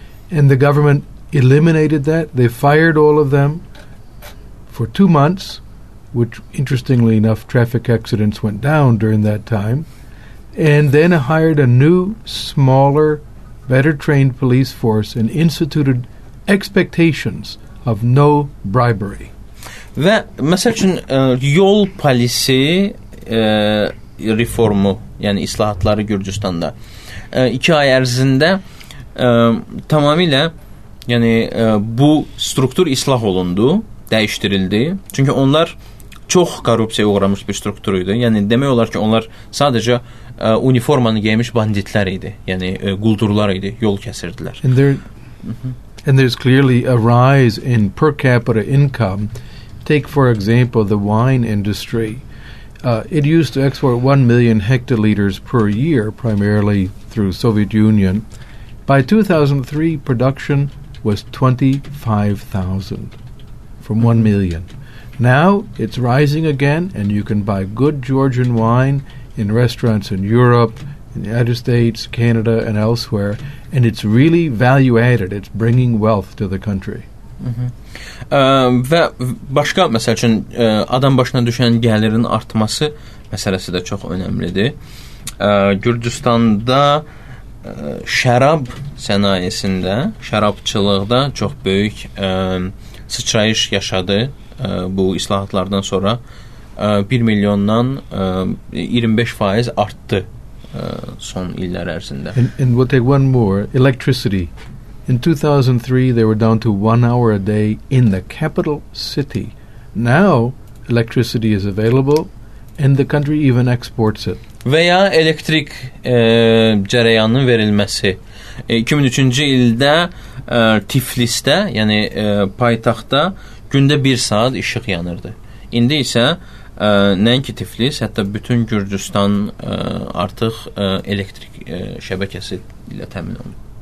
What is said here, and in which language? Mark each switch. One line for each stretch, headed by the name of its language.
English: And the government eliminated that. They fired all of them for 2 months, which, interestingly enough, traffic accidents went down during that time. And then hired a new, smaller, better-trained police force and instituted expectations of no bribery.
Azerbaijani: Və məsəl üçün yol polisi reformu, yəni islahatları Gürcüstanda 2 ay ərzində tamamilə, yəni bu struktur islah olundu, dəyişdirildi. Çünki onlar çox korrupsiyaya uğramış bir struktur idi. Yəni demək olar ki, onlar sadəcə uniformanı geymiş banditlər idi. Yəni quldurlar idi, yol kəsirdilər.
English: And there's clearly a rise in per capita income. Take, for example, the wine industry. It used to export 1 million hectoliters per year, primarily through Soviet Union. By 2003, production was 25,000 from 1 million. Now it's rising again, and you can buy good Georgian wine in restaurants in Europe, in the United States, Canada, and elsewhere. And it's really value-added. It's bringing wealth to the country.
Azerbaijani: Və başqa, məsəl üçün, adam başına düşən gəlirin artması məsələsi də çox önəmlidir. Gürcüstanda şərab sənayesində, şərabçılıqda çox böyük sıçrayış yaşadı bu islahatlardan sonra. 1 milyondan 25% artdı son illər ərzində.
English: And we'll take one more, electricity. In 2003, they were down to 1 hour a day in the capital city. Now, electricity is available, and the country even exports it.
Azerbaijani: Və ya elektrik cərəyanının verilməsi. 2003-cü ildə Tiflisdə, yəni paytaxtda, gündə 1 saat işıq yanırdı. İndi isə nəinki Tiflis, hətta bütün Gürcüstan artıq elektrik şəbəkəsi ilə təmin olunur.